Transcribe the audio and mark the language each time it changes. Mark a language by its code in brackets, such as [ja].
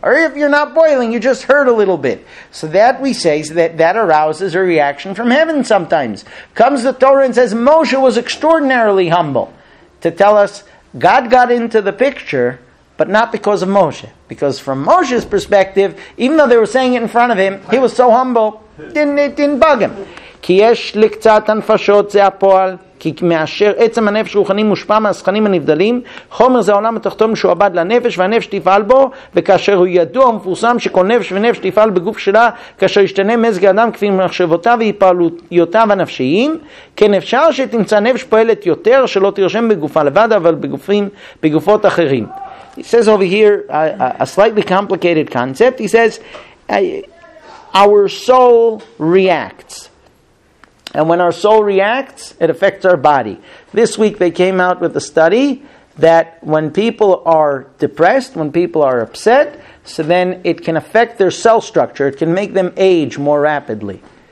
[en] Or if you're not boiling, you just hurt a little bit. So that, we say, so that arouses a reaction from heaven sometimes. Comes the Torah and says, Moshe was extraordinarily humble to tell us God got into the picture but not because of Moshe. Because from Moshe's perspective, even though they were saying it in front of him, he was so humble, it didn't bug him. [he] כי יש לקצת הנפשות זה הפועל, כי מאשר עצם הנפש רוחני מושפע מהסכנים הנבדלים, חומר זה העולם התחתום שעבד לנפש, והנפש תפעל בו, וכאשר הוא ידוע ומפורסם שכל נפש ונפש תפעל בגוף שלה, כאשר ישתנה מזג האדם כפי מחשבותיו והפעלויותיו הנפשיים, כן אפשר שתמצא נפש פועלת יותר, שלא תרשם בגופה לבד, אבל בגופות אחרים. [en] He says over here, a slightly complicated concept, he says, our soul reacts. And when our soul reacts, it affects our body. This week they came out with a study that when people are depressed, when people are upset, so then it can affect their cell structure. It can make them age more rapidly.